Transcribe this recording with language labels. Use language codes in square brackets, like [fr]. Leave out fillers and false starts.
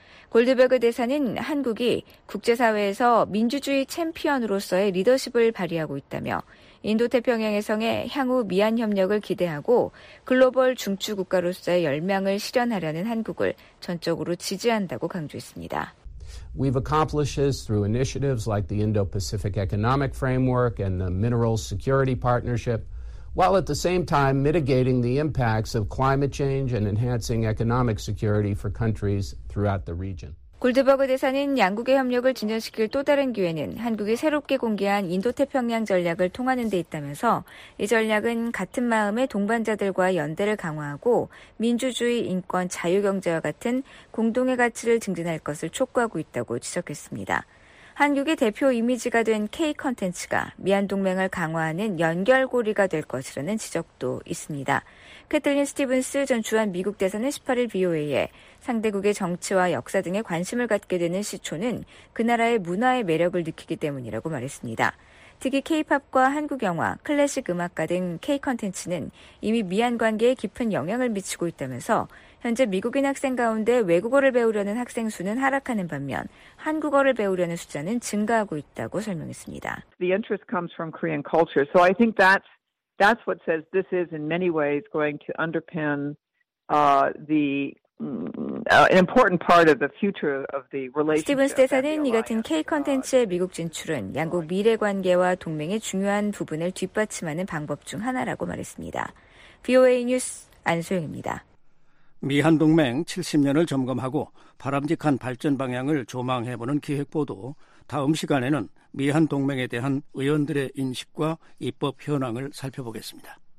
[ko] 골드버그 대사는 한국이 국제사회에서 민주주의 챔피언으로서의 리더십을 발휘하고 있다며 인도태평양해성의 향후 미한 협력을 기대하고 글로벌 중추국가로서의 열망을 실현하려는 한국을 전적으로 지지한다고 강조했습니다. [en] We've accomplished this through initiatives like the Indo-Pacific Economic Framework and the Mineral Security Partnership, while at the same time mitigating the impacts of climate change and enhancing economic security for countries throughout the region. [ko] 골드버그 대사는 양국의 협력을 진전시킬 또 다른 기회는 한국이 새롭게 공개한 인도태평양 전략을 통하는 데 있다면서 이 전략은 같은 마음의 동반자들과 연대를 강화하고 민주주의, 인권, 자유경제와 같은 공동의 가치를 증진할 것을 촉구하고 있다고 지적했습니다. 한국의 대표 이미지가 된 K-컨텐츠가 미한동맹을 강화하는 연결고리가 될 것이라는 지적도 있습니다. 캐틀린 스티븐스 전 주한 미국 대사는 18일 VOA에 상대국의 정치와 역사 등에 관심을 갖게 되는 시초는 그 나라의 문화의 매력을 느끼기 때문이라고 말했습니다. 특히 K-POP과 한국 영화, 클래식 음악가 등 K-컨텐츠는 이미 미한 관계에 깊은 영향을 미치고 있다면서 현재 미국인 학생 가운데 외국어를 배우려는 학생 수는 하락하는 반면 한국어를 배우려는 숫자는 증가하고 있다고 설명했습니다. [en] The interest comes from Korean culture. So I think that's what says this is in many ways going to underpin the an important part of the future of the relationship. 스티븐스 대사는 이 같은 K-콘텐츠의 미국 진출은 양국 미래 관계와 동맹의 중요한 부분을 뒷받침하는 방법 중 하나라고 말했습니다. [ko] VOA 뉴스 안소영입니다. 미한 동맹 70년을 점검하고 바람직한 발전 방향을 조망해보는 기획보도, 다음 시간에는 미한 동맹에 대한 의원들의 인식과 입법 현황을 살펴보겠습니다.